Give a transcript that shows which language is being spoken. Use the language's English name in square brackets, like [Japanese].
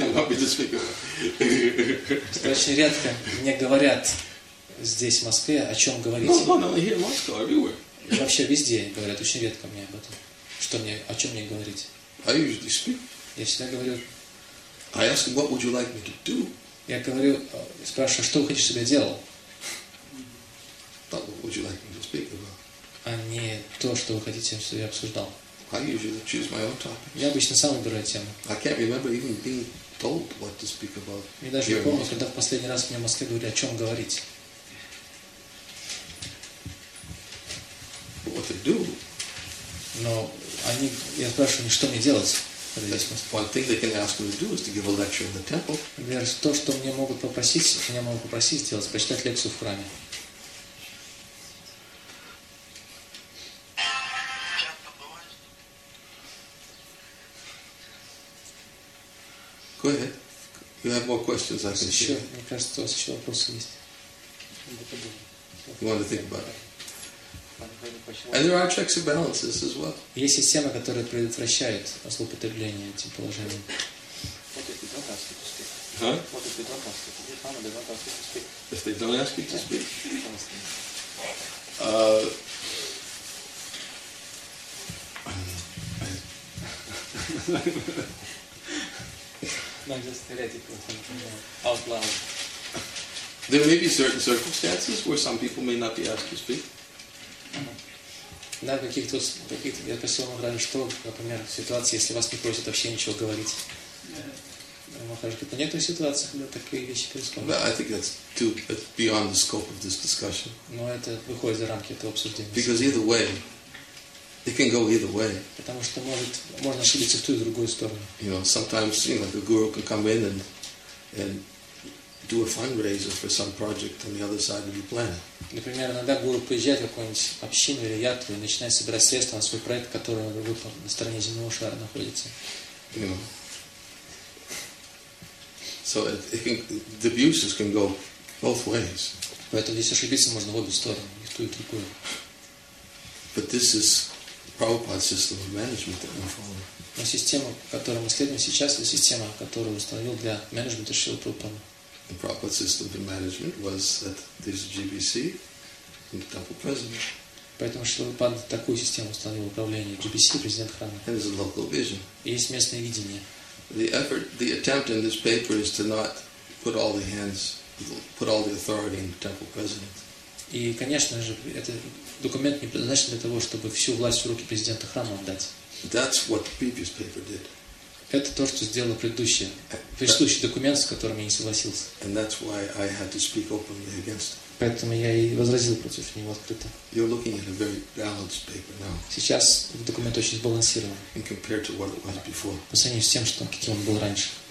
[Russian] Очень редко мне говорят здесь, в Москве, о чем говорить. [English] Not here in Moscow, everywhere. [Russian] Вообще везде говорят, очень редко мне об этом. Что мне, о чем мне говорить? [English] I usually speak. [Russian] Я всегда говорю. [English] I ask them, what would you like me to do? [Russian] Я говорю, спрашиваю, что вы хотите, чтобы я делал? [English] Not what would you like me to speak about? [Russian] А не то, что вы хотите, чтобы я обсуждал. [English] I usually choose my own topics. [Russian] Я обычно сам выбираю тему. [English] I can't remember even being told what to speak about. [Russian] Я даже не помню, когда в последний раз мне в Москве говорили, о чем говорить. [English] But what they do? [Russian] Но они, я спрашиваю, что мне делать? [English] That's one thing they can ask me to do is to give a lecture in the temple. [Russian] Например, то, что меня могут попросить сделать, прочитать лекцию в храме. [English] Go ahead. You have more questions, I can see. [Russian] Мне кажется, у вас еще вопросы есть. [English] You want to think about it. And there are checks and balances as well. [Russian] Есть система, которая предотвращает злоупотребление этим положением. [English] What if they don't ask you to speak? Huh? What if they don't ask you to speak? If they don't ask you to speak? No, just theoretical. Out loud. There may be certain circumstances where some people may not be asked to speak. [Russian] Да, каких-то, я просил вам говорить, что, например, в ситуации, если вас не просят вообще ничего говорить. Махарадж говорит, на некоторых ситуациях, да, такие вещи происходят. [English] I think that's beyond the scope of this discussion. [Russian] Но это выходит за рамки этого обсуждения. [English] Because either way, it can go either way. [Russian] Потому что можно ошибиться в ту и другую сторону. [English] You know, sometimes, you know, like a guru can come in and do a fundraiser for some project on the other side of the planet. [Russian] Например, иногда гуру приезжает в какую-нибудь общину или ятру и начинает собирать средства на свой проект, который на стороне земного шара находится. [English] You know. So the abuses can go both ways. [Russian] Поэтому здесь ошибиться можно в обе стороны, и в ту, и в другую. [English] But this is Prabhupada's system of management that we're following. [Russian] Но система, которую мы следуем сейчас, это система, которую установил для менеджмента Шрилы Прабхупады. [English] The Prabhupada's system of management was that there's a GBC and the temple president. [Russian] Поэтому Шрила Прабхупада такую систему установил управления GBC, президент храма. [English] And there's a local vision. [Russian] И есть местное видение. [English] The effort, the attempt in this paper is to not put all the hands, put all the authority in the temple president. [Russian] И, конечно же, этот документ не предназначен для того, чтобы всю власть в руки президента храма отдать. [English] That's what the previous paper did. [Russian] Это то, что сделало предыдущий документ, с которым я не согласился. [English] And that's why I had to speak openly against it. [Russian] Поэтому я и возразил против него открыто. [English] You're looking at a very balanced paper now. [Russian] Сейчас документ очень сбалансирован. [English] And compared to what it was before. [Russian] По сравнению с тем, что каким он был раньше.